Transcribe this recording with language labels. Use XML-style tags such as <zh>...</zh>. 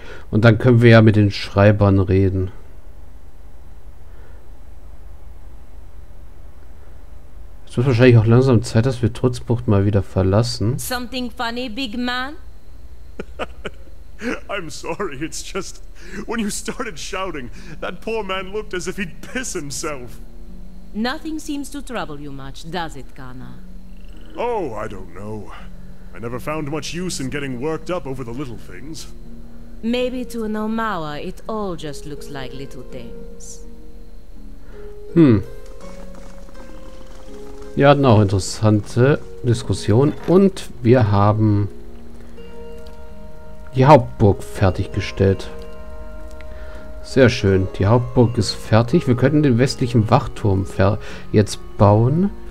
<de>Und dann können wir ja mit den Schreibern reden. Es wird wahrscheinlich auch langsam Zeit, dass wir Trutzbucht mal wieder verlassen.</de> <en>Something funny, big man? I'm sorry, it's just when you started shouting, that poor man looked as if he'd piss himself. Nothing seems to trouble you much, does it, Kana? Oh, I don't know. I never found much use in getting worked up over the little things. Maybe to an Omawa, it all just looks like little things.</en> <de>Wir hatten auch interessante Diskussion und wir haben die Hauptburg fertiggestellt. Sehr schön. Die Hauptburg ist fertig. Wir könnten den westlichen Wachturm jetzt bauen.</de>